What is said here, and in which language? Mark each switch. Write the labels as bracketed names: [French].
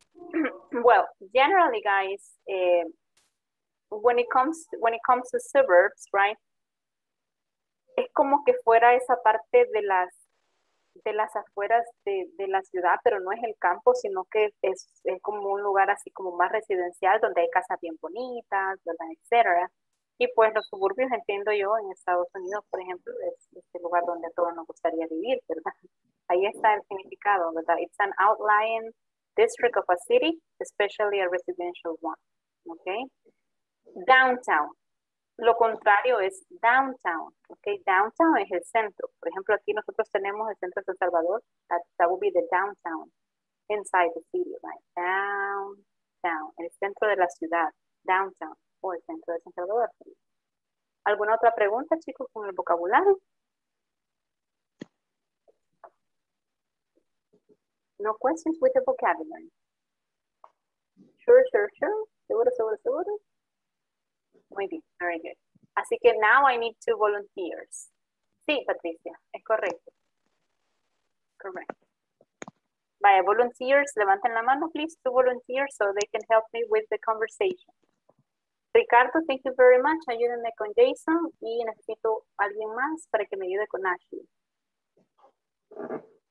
[English] Well, generally, guys, when it comes to suburbs, right? [Spanish] Es como que fuera esa parte de las afueras de la ciudad, pero no es el campo, sino que es como un lugar así como más residencial, donde hay casas bien bonitas, ¿verdad? Etcétera. Y pues los suburbios, entiendo yo, en Estados Unidos, por ejemplo, es el lugar donde a todos nos gustaría vivir, ¿verdad? Ahí está el significado, ¿verdad? [English] It's an outlying district of a city, especially a residential one, okay? Downtown. [Spanish] Lo contrario es downtown, okay? Downtown es el centro. Por ejemplo, aquí nosotros tenemos el centro de San Salvador. [English] That would be the downtown inside the city, right? [Spanish] Downtown, el centro de la ciudad, downtown, o el centro de San Salvador. ¿Alguna otra pregunta, chicos, con el vocabulario? [English] No questions with the vocabulary. Sure. [Spanish] Seguro. Muy bien, [English] very good. [Spanish] Así que [English] now I need two volunteers. [Spanish] Sí, Patricia, es correcto. [English] Correct. Vaya, volunteers, [Spanish] levanten la mano, [English] please, two volunteers, so they can help me with the conversation. Ricardo, thank you very much. [Spanish] Ayúdenme con Jason y necesito alguien más para que me ayude con Ashley.